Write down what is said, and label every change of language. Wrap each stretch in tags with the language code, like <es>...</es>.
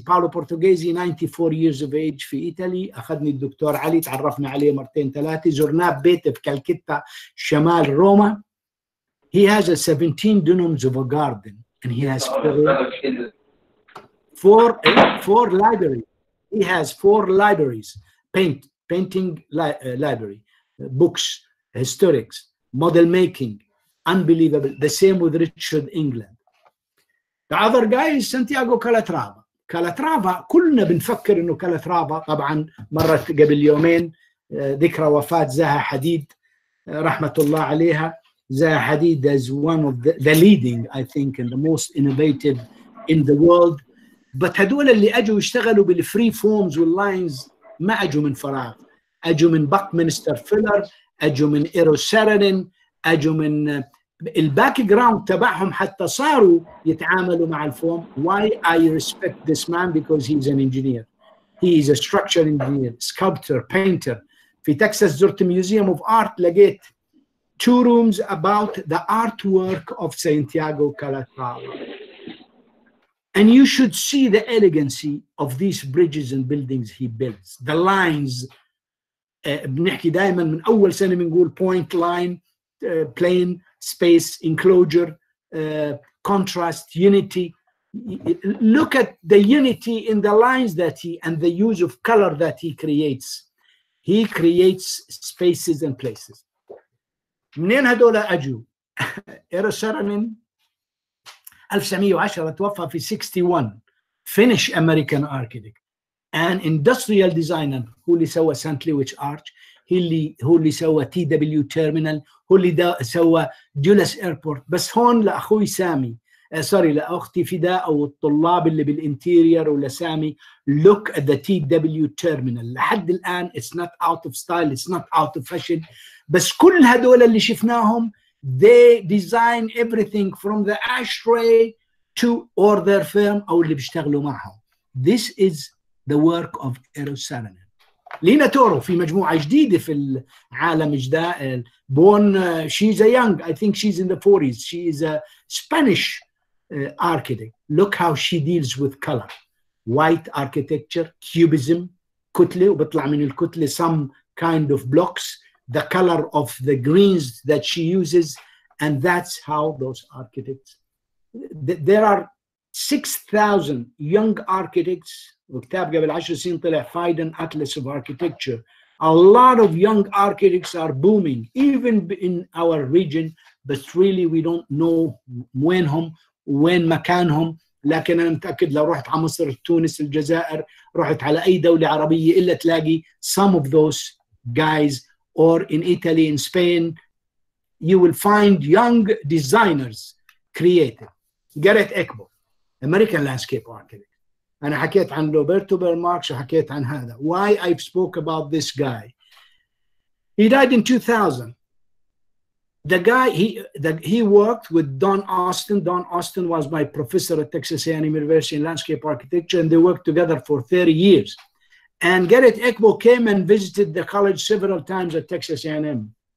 <ar>باولو بورتوغيزي</ar> <en>94 years of age</en> <ar>في إيطالي. أخذني الدكتور علي, تعرفنا عليه مرتين ثلاثة. زرناه بيته في كالكتا شمال روما.</ar> <en>He has a 17 dunums of a garden and he has four libraries. He has 4 libraries, painting library, books, historics, model making, unbelievable. The same with Richard England. The other guy is Santiago Calatrava.</en> <ar>Calatrava, كلنا بنفكر إنه Calatrava, طبعا مرت قبل يومين ذكرى وفاة زها حديد رحمة الله عليها.</ar> <en>Zaha Hadid is one of the leading, I think, and the most innovative in the world.</en> <ar>But هدول اللي أجوا يشتغلوا بالfree forms واللines ما أجوا من فراغ. أجوا من Buckminster Fuller, أجوا من Eero Saarinen, أجوا من الباكجراوند تبعهم حتى صاروا يتعاملوا مع الفورم.</ar> <en>Why I respect this man? Because he's an engineer. He is a structural engineer, sculptor, painter.</en> <ar>في تكساس زرت</ar> <en>Museum of Art,</en> <ar>لقيت</ar> <en>2 rooms about the artwork of Santiago Calatrava. And you should see the elegancy of these bridges and buildings he builds. The lines,</en> <ar>بنحكي دائما من أول سنة بنقول</ar> <en>point, line, plane, space, enclosure, contrast, unity. Look at the unity in the lines that he, and the use of color that he creates. He creates spaces and places.</en> <ar>منين هدول أجوا؟</ar> <en>Eero Saarinen 1910</en> <ar>توفى في 61,</ar> <en>Finnish American architect and industrial designer,</en> <ar>هو اللي سوى</ar> <en>St.</en> <ar>Louis Arch, هو اللي سوى TW Terminal, هو اللي سوى Dulles Airport. بس هون لأخوي سامي, سوري لأختي فداء أو الطلاب اللي بالإنتيرير ولا سامي,</ar> <en>look at the TW Terminal.</en> <ar>لحد الآن</ar> <en>it's not out of style, it's not out of fashion.</en> <ar>بس كل هدول اللي شفناهم</ar> <en>they design everything from the ashtray to order firm</en> <ar>أو اللي بيشتغلوا معهم.</ar> <en>This is the work of Eero Saarinen. لينا تورو</en> <ar>في مجموعة جديدة في العالم جدا,</ar> <en>born she's a young, I think she's in the 40s, she is a Spanish architect. Look how she deals with color, white architecture, cubism,</en> <ar>كتلة وبطلع من الكتلة</ar> <en>some kind of blocks, the color of the greens that she uses, and that's how those architects. There are 6,000 young architects.</en> <ar>وكتاب قبل 10 سنين طلع فايدن أتلس</ar> <en>of architecture. A lot of young architects are booming, even in our region, but really we don't know</en> <ar>وينهم وين مكانهم. لكن أنا متأكد لو رحت على مصر، تونس، الجزائر، رحت على أي دولة عربية إلا تلاقي</ar> <en>some of those guys, or in Italy, in Spain, you will find young designers created. Garrett Eckbo American landscape architect.</en> <ar>أنا حكيت عن روبرتو بيرماركس وحكيت عن هذا.</ar> <en>Why I spoke about this guy? He died in 2000. The guy, he worked with Don Austin. Don Austin was my professor at Texas A&M University in landscape architecture, and they worked together for 30 years. And Garrett Ekbo came and visited the college several times at Texas A&M.</en>